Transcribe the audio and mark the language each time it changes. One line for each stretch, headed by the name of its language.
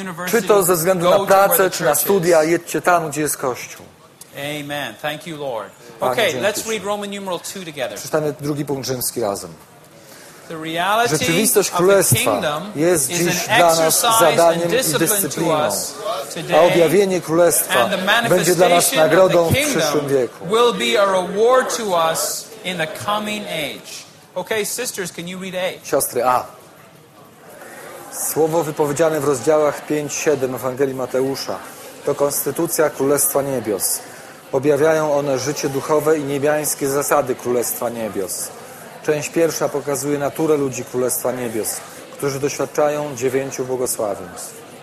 Polish: Czy to ze względu na pracę, czy na studia, jedźcie tam, gdzie jest Kościół.
English: Amen. Thank you, Lord. Okay, let's read Roman numeral 2 together.
Polish: Przeczytamy drugi punkt rzymski razem.
English: The reality
Polish: rzeczywistość Królestwa jest dziś dla nas zadaniem i dyscypliną, a objawienie Królestwa będzie dla nas nagrodą w przyszłym wieku.
English: Will be a reward to us in the coming age. Okay, sisters, can you read A?
Polish: Siostry A. Słowo wypowiedziane w rozdziałach 5-7 Ewangelii Mateusza to konstytucja Królestwa Niebios. Objawiają one życie duchowe i niebiańskie zasady Królestwa Niebios. Część pierwsza pokazuje naturę ludzi Królestwa Niebios, którzy doświadczają dziewięciu błogosławieństw.